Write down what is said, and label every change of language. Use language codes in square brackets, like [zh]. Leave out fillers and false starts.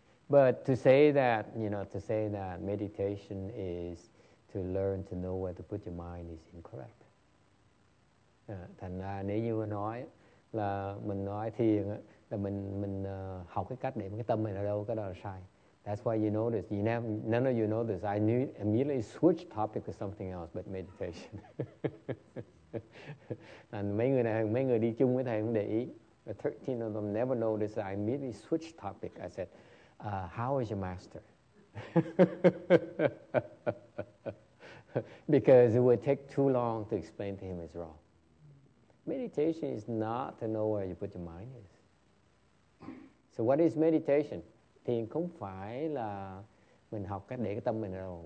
[en] But to say that, you know, to say that meditation is to learn to know where to put your mind is incorrect. [vi] Thành ra nếu như nói là mình nói thiền là mình học cái cách để cái tâm mình ở đâu, cái đó là sai. [en] That's why you notice, you never, none of you notice, I knew, immediately switched topic to something else but meditation. [vi] And mấy người đi chung với thầy không để ý. [en] The 13 of them never noticed that I immediately switched topic. I said, how is your master? Because it would take too long to explain to him it's wrong. Meditation is not to know where you put your mind is. So what is meditation? [vi] Thiền không phải là mình học cách để cái tâm mình ở đâu.